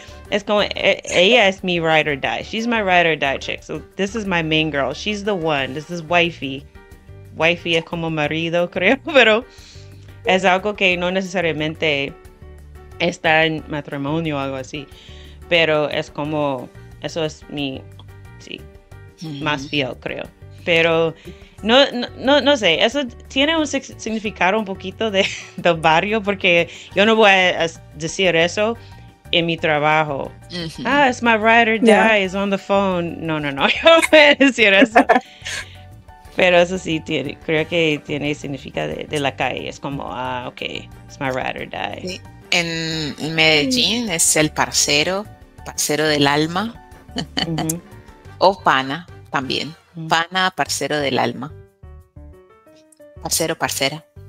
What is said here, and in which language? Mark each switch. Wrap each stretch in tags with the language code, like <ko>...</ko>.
<es>es como, ella es mi ride or die,</es> <en>she's my ride or die chick, so this is my main girl, she's the one, this is wifey</en> <es>es como marido, creo, pero es algo que no necesariamente está en matrimonio o algo así, pero es como, eso es mi, sí, más fiel, creo. Pero no sé, eso tiene un significado un poquito de barrio, porque yo no voy a decir eso en mi trabajo. Mm-hmm.</es> <en>Ah, it's my ride or die, it's on the phone.</en> <es>No, yo no voy a decir eso. Pero eso sí, creo que tiene significado de la calle. Es como,</es> <en>ok, it's my ride or die. Sí.</en> <es>En Medellín es el parcero del alma. Uh-huh. O pana también, pana, parcero del alma, parcero, parcera.</es>